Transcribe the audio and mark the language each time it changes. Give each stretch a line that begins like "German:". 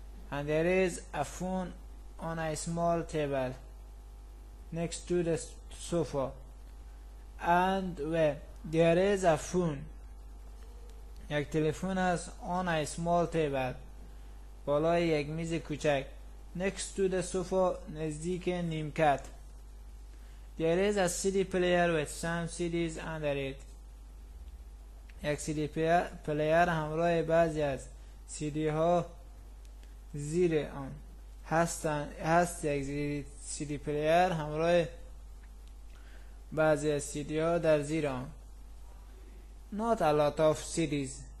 English: And there is a phone on a small table next to the sofa. And there is a phone.
Persian: یک تلفن است
English: on a small table.
Persian: بالای یک میز کوچک.
English: Next to the sofa
Persian: نزدیک نیمکت.
English: There is a CD player with some CDs under it.
Persian: یک سی دی پلیر همراه بعضی از سی دی ها زیر آن هستند. هست یک سی دی پلیر همراه بعضی از سی دی ها در زیر آن.
English: Not a lot of CDs.